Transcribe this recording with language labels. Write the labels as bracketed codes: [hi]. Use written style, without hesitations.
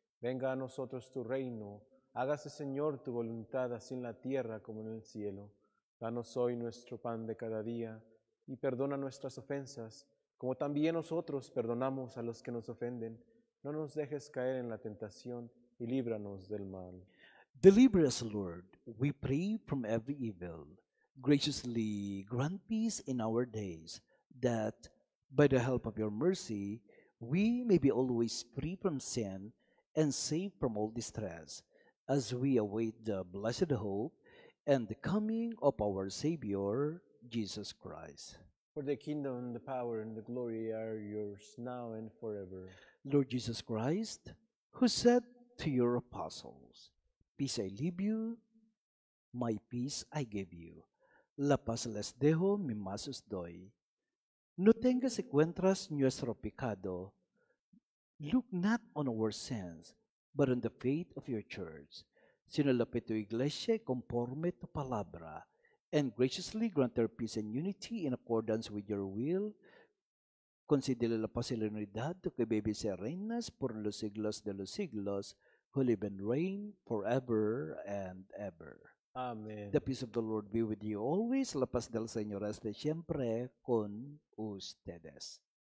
[es] Venga a nosotros tu reino, hágase Señor tu voluntad así en la tierra como en el cielo. Danos hoy nuestro pan de cada día y perdona nuestras ofensas, como también nosotros perdonamos a los que nos ofenden. No nos dejes caer en la tentación y líbranos del mal. [en] Deliver us, Lord, we pray, from every evil. Graciously grant peace in our days, that by the help of your mercy, we may be always free from sin and safe from all distress, as we await the blessed hope and the coming of our Savior, Jesus Christ. For the kingdom, the power, and the glory are yours now and forever. Lord Jesus Christ, who said to your apostles, "Peace I leave you, my peace I give you. [es] La paz les dejo, mi paz os doy. No tengas en cuenta nuestro pecado. [en] Look not on our sins, but on the faith of your church. [es] Sinalapit tu iglesia conforme tu palabra, [en] and graciously grant her peace and unity in accordance with your will. [es] Considere la paz y la unidad tu que vives y reinas por los siglos de los siglos, [en] who live and reign forever and ever. Amen. The peace of the Lord be with you always. [es] La paz del Señor esté siempre con ustedes.